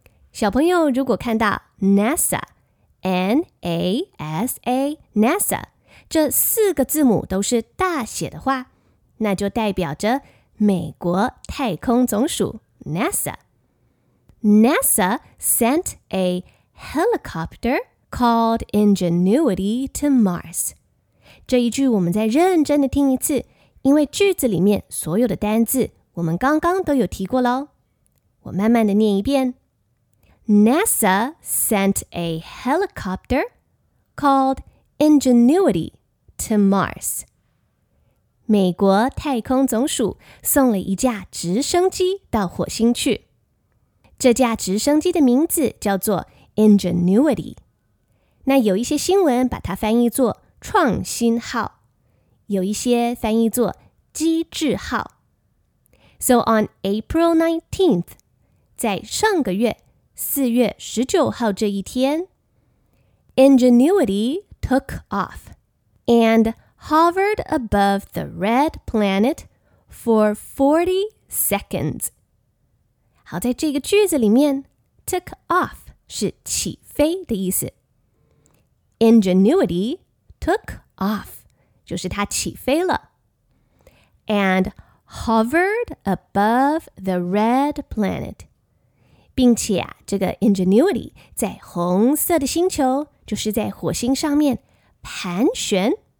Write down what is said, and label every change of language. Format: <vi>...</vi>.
<zh>小朋友如果看到 NASA N-A-S-A NASA 这四个字母都是大写的话，那就代表着美国太空总署 NASA。</zh> <en>NASA sent a helicoptercalled Ingenuity to Mars。</en> <zh>这一句我们再认真的听一次，因为句子里面所有的单字我们刚刚都有提过咯。我慢慢的念一遍，</zh> <en>NASA sent a helicopter called Ingenuity to Mars。</en> <zh>美国太空总署送了一架直升机到火星去，这架直升机的名字叫做 Ingenuity。那有一些新闻把它翻译作创新号，有一些翻译作机智号。</zh> <en>So on April 19th,</en> <zh>在上个月4月19号这一天，</zh> <en>Ingenuity took off and hovered above the red planet for 40 seconds.</en> <zh>好，在这个句子里面， took off 是起飞的意思。</zh> <en>Ingenuity took off</en> <zh>就是它起飞了。</zh> <en>And hovered above the red planet，</en> <zh>并且啊，这个 Ingenuity 在红色的星球，就是在火星上面盘旋。</zh>